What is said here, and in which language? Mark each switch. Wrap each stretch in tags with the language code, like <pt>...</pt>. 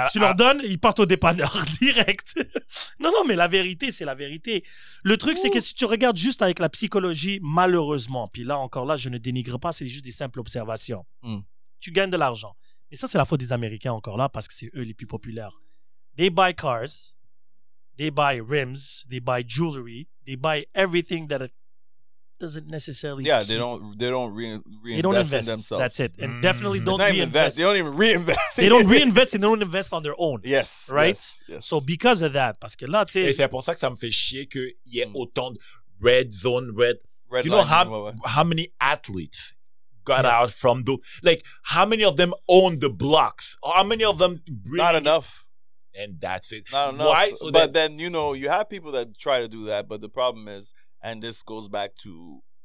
<fr>Tu leur donnes, ils partent au dépanneur direct. non, mais la vérité, c'est la vérité. Le truc, c'est que si tu regardes juste avec la psychologie, malheureusement, puis là encore là, je ne dénigre pas, c'est juste des simples observations. Tu gagnes de l'argent. Mais ça, c'est la faute des Américains encore là, parce que c'est eux les plus populaires.</fr> <en>They buy cars, they buy rims, they buy jewelry, they buy everything that doesn't necessarily. Yeah, they don't reinvest in themselves. That's it. And definitely don't reinvest. They don't even reinvest. They don't reinvest and they don't invest on their own. Yes. Right? Yes, yes. So because of that,</en> <fr>parce que là, tu sais. Et c'est pour ça que ça me fait chier qu'il y ait autant de red zone, red.</fr> <en>Red you know how many athletes got out from the. Like, how many of them own the blocks? How many of them. Not enough. And that's it. Not enough. Why? So but then, you know, you have people that try to do that, but the problem is. And this goes back to</en>